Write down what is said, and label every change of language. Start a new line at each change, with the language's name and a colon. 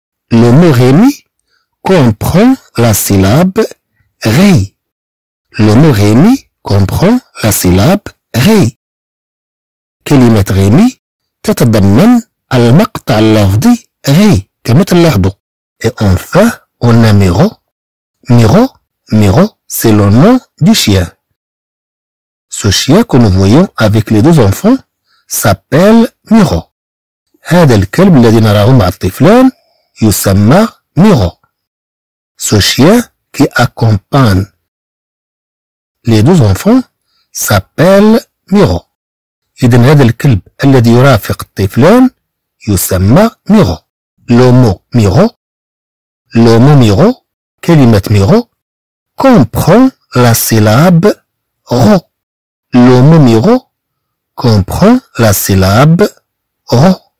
French: Le mot Rémi comprend la syllabe Ré. Le mot Rémi comprend la syllabe Ré.
Arabic: كلمة Rémi تتضمن المقطع اللفظي Ré. كما تلاحظوا.
French: Et enfin, on a Miro. Miro, Miro, c'est le nom du chien. Ce chien que nous voyons avec les deux enfants s'appelle Miro.
Arabic: هذا الكلب الذي نراه مع الطفلان يسمى ميرو.
French: Ce chien qui accompagne les deux enfants s'appelle ميرو.
Arabic: إذن هذا الكلب الذي يرافق الطفلان يسمى ميرو.
French: Le mot ميرو. Le mot ميرو.
Arabic: كلمة ميرو.
French: Comprend la syllabe ro. Le mot ميرو. Comprend la syllabe ro.